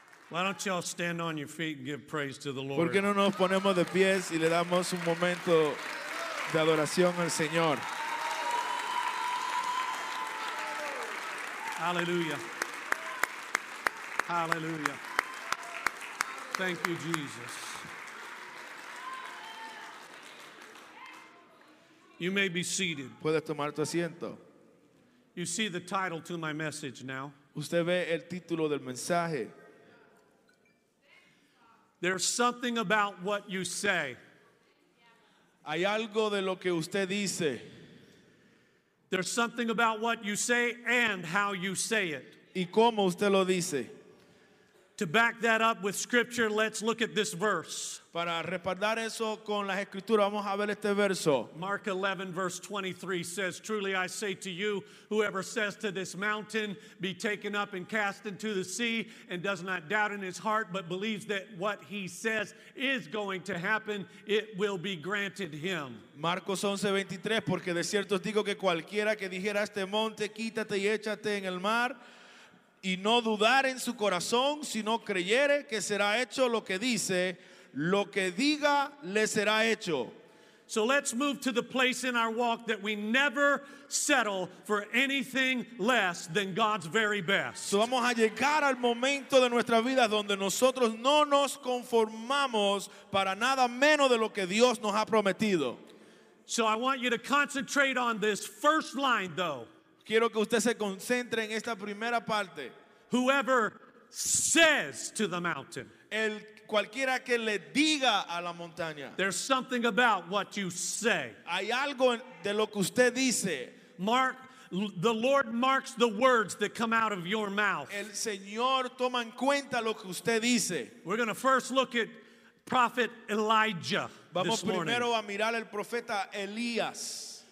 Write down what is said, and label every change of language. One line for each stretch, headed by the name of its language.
English: Why don't y'all stand on your feet and give praise to the Lord?
Spanish: ¿Por qué no nos ponemos de pies y le damos un momento de adoración al Señor?
English: Hallelujah. Hallelujah. Thank you, Jesus. You may be seated.
Spanish: ¿Puedes tomar tu asiento?
English: You see the title to my message now.
Spanish: ¿Usted ve el título del mensaje?
English: There's something about what you say.
Spanish: Hay algo de lo que usted dice.
English: There's something about what you say and how you say it.
Spanish: Y cómo usted lo dice.
English: To back that up with scripture, let's look at this verse.
Spanish: Para respaldar eso con las escrituras, vamos a ver este verso.
English: Mark 11, verse 23 says, "Truly I say to you, whoever says to this mountain, be taken up and cast into the sea, and does not doubt in his heart, but believes that what he says is going to happen, it will be granted him."
Spanish: Marcos 11, 23, porque de cierto os digo que cualquiera que dijera este monte, quítate y échate en el mar, y no dudar en su corazón, sino creyere que será hecho lo que dice, lo que diga le será hecho.
English: So let's move to the place in our walk that we never settle for anything less than God's very best.
Spanish: So vamos a llegar al momento de nuestra vida donde nosotros no nos conformamos para nada menos de lo que Dios nos ha prometido.
English: So I want you to concentrate on this first line though.
Spanish: Quiero que usted se concentre en esta primera parte.
English: Whoever says to the mountain.
Spanish: El cualquiera que le diga a la montaña.
English: There's something about what you say.
Spanish: Hay algo de lo que usted dice.
English: Mark, the Lord marks the words that come out of your mouth.
Spanish: El Señor toma en cuenta lo que usted dice.
English: We're going to first look at prophet Elijah.
Spanish: Vamos
English: this
Spanish: primero
English: morning.
Spanish: A mirar el profeta Elías.